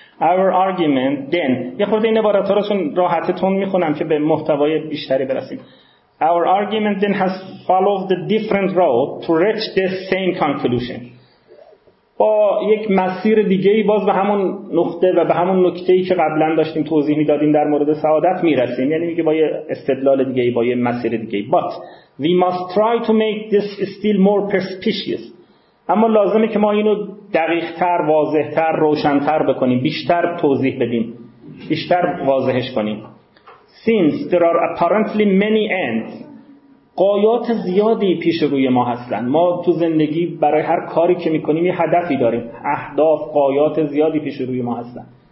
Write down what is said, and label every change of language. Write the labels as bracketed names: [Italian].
[English] Our argument then، [Persian] یه خورده این عبارت ها رو راحت تون میخونم که به محتوای بیشتری برسیم. [English] Our argument then has followed a different road to reach the same conclusion. [Persian] با یک مسیر دیگه ای باز به همون نقطه و به همون نکته ای که قبلا داشتیم توضیح میدادیم در مورد سعادت میرسیم، یعنی میگه با یه استدلال دیگه ای، با یه مسیر دیگه ای. [English] But we must try to make this still more perspicuous. [Persian] اما لازمه که ما اینو دقیق‌تر، واضح‌تر، روشن‌تر بکنیم، بیشتر توضیح بدیم، بیشتر واضحش کنیم. [English] Since there are apparently many ends، [Persian] غایات زیادی پیش روی ما هستن. ما تو زندگی برای هر کاری که می‌کنیم یه هدفی داریم، اهداف، غایات زیادی پیش روی ما هستن.